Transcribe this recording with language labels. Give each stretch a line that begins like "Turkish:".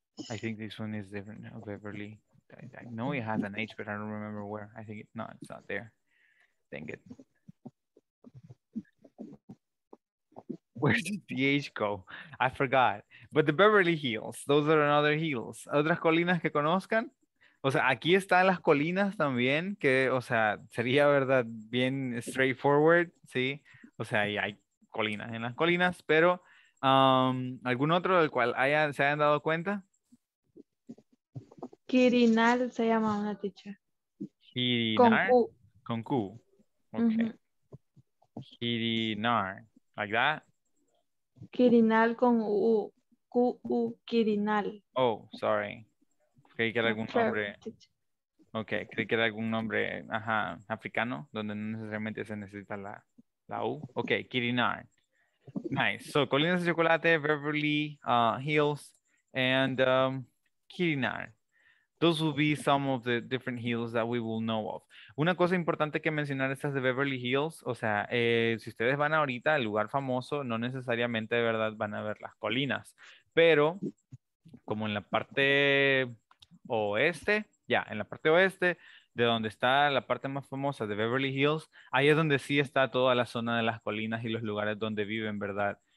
English: I think this one is different. Oh, Beverly. I know it has an H, but I don't remember where. I think it's not. It's not there. Dang it. Where did the H go? I forgot. But the Beverly Hills, those are another hills.
Spanish: ¿Otras colinas que conozcan? O sea, aquí están las colinas también, que, o sea, sería, ¿verdad?, bien straightforward, ¿sí? O sea, y hay colinas en las colinas, pero ¿algún otro del cual se hayan dado cuenta? Quirinal se llama una teacher. Quirinal. Con Q. Okay. Uh-huh.
English: Quirinal. Like that.
Spanish: Quirinal con U, Q-U, Quirinal.
English: Oh, sorry.
Spanish: Creí que era algún nombre. Ok, creí que era algún nombre, ajá, africano, donde no necesariamente se necesita la U.
English: Ok, Quirinal. Nice. So,
Spanish: colinas de chocolate,
English: Beverly Hills, and Quirinal. Those will be some of the different hills that we will know of.
Spanish: Una cosa importante que mencionar estas de Beverly Hills, o sea, si ustedes van ahorita al lugar famoso, no necesariamente de verdad van a ver las colinas, pero como en la parte oeste, en la parte oeste, de donde está la parte más famosa de Beverly Hills, ahí es donde sí está toda la zona de las colinas y los lugares donde viven, ¿verdad?